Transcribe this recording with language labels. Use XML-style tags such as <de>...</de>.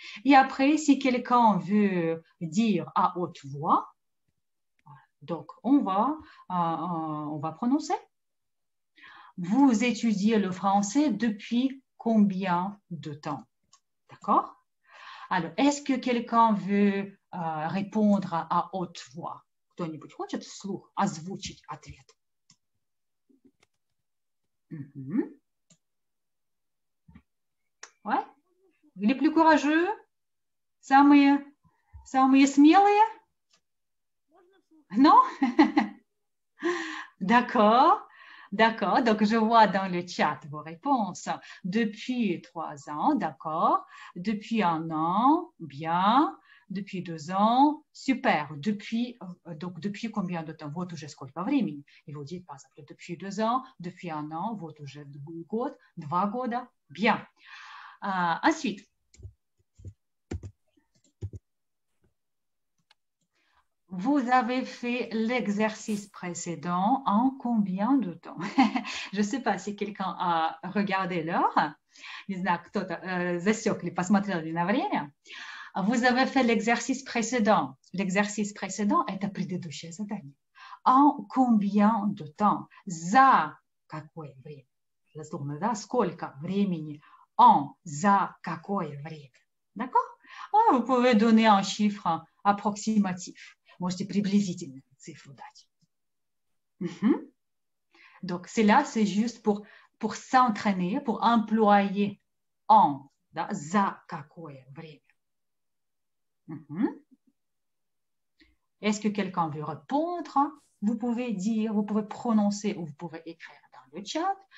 <fr>Et après, si quelqu'un veut dire à haute voix, donc on va prononcer. Vous étudiez le français depuis combien de temps? D'accord? Alors, est-ce que quelqu'un veut répondre à haute voix?</fr> <ru>Кто-нибудь хочет вслух озвучить ответ?</ru> <fr>Ouais? Les plus courageux?</fr> <ru>Самые смелые?</ru> <fr>Non? D'accord. Donc, je vois dans le chat vos réponses. Depuis 3 ans, d'accord. Depuis 1 an, bien. Depuis 2 ans, super. Depuis combien de temps? Vous touchez</fr> <ru>сколько времени?</ru> <fr>Et vous dites, par exemple, depuis 2 ans, depuis 1 an, vous touchez</fr> <ru>2 года, 2 года,</ru> <fr>bien. Ensuite. Vous avez fait l'exercice précédent en combien de temps? Je ne sais pas si quelqu'un a regardé l'heure.</fr> <ru>Не знаю, кто-то засек или посмотрел на время.</ru> <fr>Vous avez fait l'exercice précédent. L'exercice précédent est un</fr> <ru>предыдущее задание.</ru> <fr>En combien de temps?</fr> <ru>За какое время?</ru> <fr>La tourne</fr> <ru>за сколько времени? En за какое время?</ru> <fr>D'accord? Oh, vous pouvez donner un chiffre approximatif.</fr> <ru>Можете приблизительные цифры дать.</ru> <fr>Donc, cela, c'est juste pour s'entraîner, pour employer en,</fr> <ru>да, за какое время.</ru> <fr>Est-ce que quelqu'un veut répondre? Vous pouvez dire, vous pouvez prononcer ou vous pouvez écrire dans le chat.</fr>